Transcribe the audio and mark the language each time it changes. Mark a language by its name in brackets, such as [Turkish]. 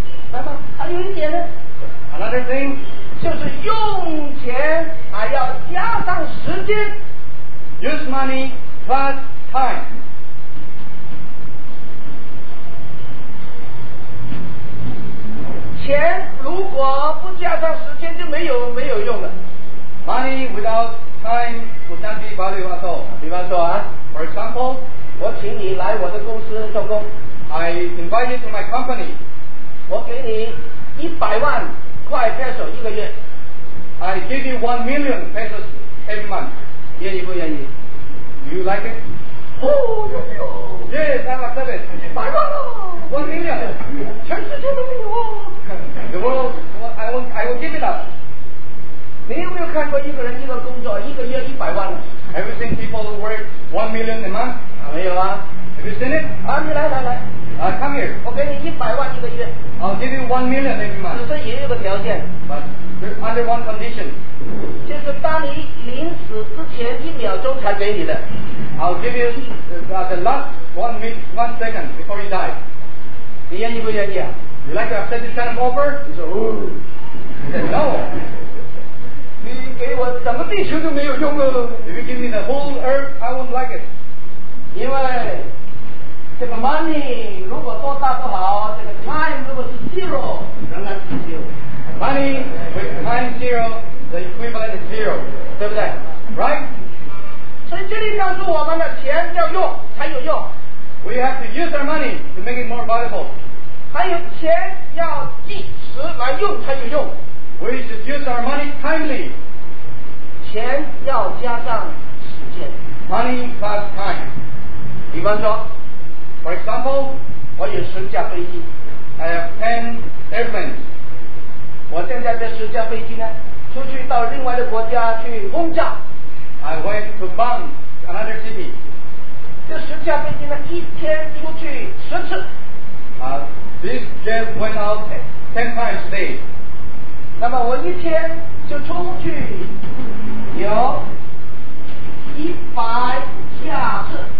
[Chinese] 那么还有一点呢 [English] ？Another thing, [Chinese] 就是用钱还要加上时间。 [English] Use money plus time. [Chinese] 钱如果不加上时间就没有用了。 [English] Money without time would not be valuable at all. [Chinese] 比方说啊 [English] ，For example. [Chinese] 我请你来我的公司做工。 [English] I invite you to my company. [Chinese] 我给你100万块 peso 一个月。 [English] I give you 1 million pesos every month. [Chinese] 愿意不愿意 [English] ？You like it? Oh, yes, I like it. [Chinese] 100万 [English] 1 million. [Chinese] 全世界都没有哦。 [English] The world, I will give it up. [Chinese] 你有没有看过一个人一个工作一个月100万 [English] ？Have you seen people work 1 million a month? [Chinese] 没有啊 [English] ，Have you seen it？ [Chinese] 啊，你来、 [English] ，Come here。 [Chinese] 我给你100万一个月。 [English] I'll give you 1 million every month。 [Chinese] 只是也有个条件。 [English] But under one condition。 [Chinese] 就是当你临死之前一秒钟才给你的。 [English] I'll give you the last one second before you die。 [Chinese] 你愿意不愿意啊 [English] ？You like to accept this kind of offer？ [Chinese] 你说，哦。 [English] I said no。 [Chinese] 你给我什么地球都没有用啊 [English] ！If you give me the whole earth, I won't like it。 [Chinese] 因为这个 money 如果多大不好，这个 time 如果是 zero， 仍然是 zero。 [English] Money with time zero， the equivalent is zero， [Chinese] 对不对 [English] ？Right？ [Chinese] 所以这里告诉我们的钱要用才有用。 [English] We have to use our money to make it more valuable。 [Chinese] 还有钱要计时来用才有用。 [English] We should use our money timely。 [Chinese] 钱要加上时间。 [English] Money plus time。 [Chinese] 比方说 [English] ，For example， [Chinese] 我有十架飞机 [English] ，I have 10 airplanes。 [Chinese] 我现在这十架飞机呢，出去到另外的国家去轰炸 [English] ，I went to bomb another city。 [Chinese] 这十架飞机呢，一天出去10次。 [English] This jet went out 10 times a day。 [Chinese] 那么我一天就出去有100架次。